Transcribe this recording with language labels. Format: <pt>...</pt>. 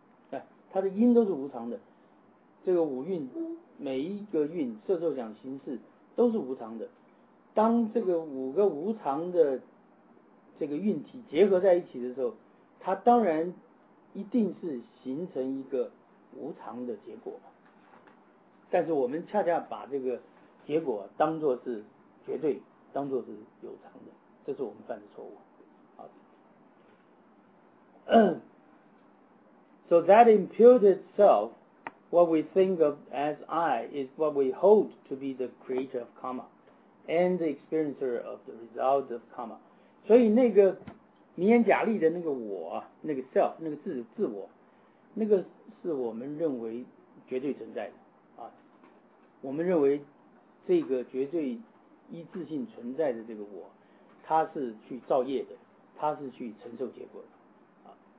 <zh>啊、他的因都是无常的，这个五蕴每一个蕴色受想行识都是无常的，当这个五个无常的这个蕴体结合在一起的时候，它当然一定是形成一个无常的结果，但是我们恰恰把这个结果当作是绝对，当作是有常的，这是我们犯的错误。好，</zh> <en>So that imputed itself, what we think of as I, is what we hold to be the creator of karma and the experiencer of the result of karma.</en> <zh>所以那个名言假立的那个我，那个 self， 那个 自我，那个是我们认为绝对存在的啊。我们认为这个绝对一致性存在的这个我，它是去造业的，它是去承受结果的啊。</zh>